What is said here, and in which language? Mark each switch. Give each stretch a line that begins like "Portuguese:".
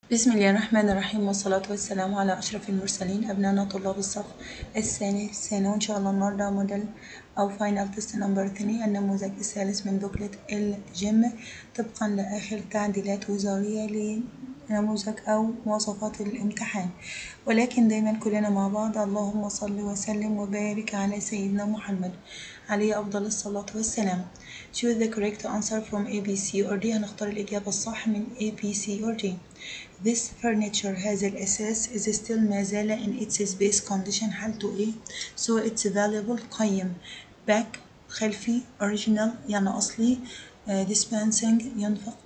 Arabic: بسم الله الرحمن الرحيم، والصلاة والسلام على أشرف المرسلين، أبنائنا طلاب الصف الثاني سنة، وإن شاء الله النهاردة موديل أو
English: final test number
Arabic: 2، النموذج الثالث من بوكلت الجيم طبقا لآخر تعديلات وزارية لنموذج أو مواصفات الامتحان. ولكن دايما كلنا مع بعض، اللهم صل وسلم وبارك على سيدنا محمد عليه أفضل الصلاة والسلام.
English: Choose the correct answer from A, B, C or D.
Arabic: هنختار الإجابة الصح من
English: A, B, C or D. This furniture,
Arabic: هذا الأساس,
English: is still,
Arabic: ما زال,
English: in its space condition,
Arabic: حالته إيه؟
English: So it's valuable,
Arabic: قيم.
English: Back,
Arabic: خلفي,
English: original,
Arabic: يعني أصلي.
English: Dispensing,
Arabic: ينفق.